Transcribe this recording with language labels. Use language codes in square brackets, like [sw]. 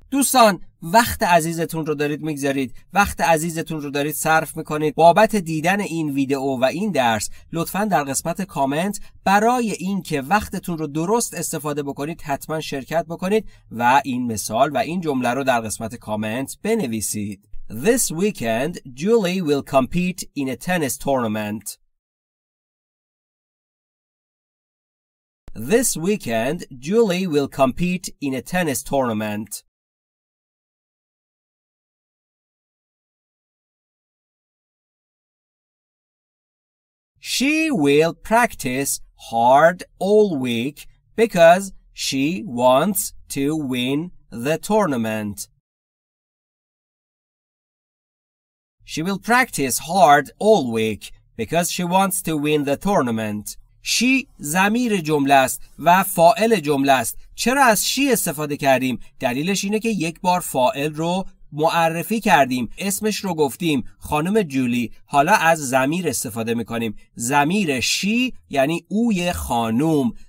[fa] دوستان وقت عزیزتون رو دارید میگذارید، وقت عزیزتون رو دارید صرف میکنید بابت دیدن این ویدیو و این درس. لطفاً در قسمت کامنت برای اینکه وقتتون رو درست استفاده بکنید حتما شرکت بکنید و این مثال و این جمله رو در قسمت کامنت بنویسید. [en] This weekend Julie will compete in a tennis tournament. This weekend Julie will compete in a tennis tournament. She will practice hard all week because she wants to win the tournament. She will practice hard all week because she wants to win the tournament. [fa] شی ضمیر جمله است و فاعل جمله است. چرا از شی استفاده کردیم؟ دلیلش اینه که یک بار فاعل رو معرفی کردیم، اسمش رو گفتیم، خانم جولی. حالا از ضمیر استفاده میکنیم. ضمیر شی یعنی اوی خانم.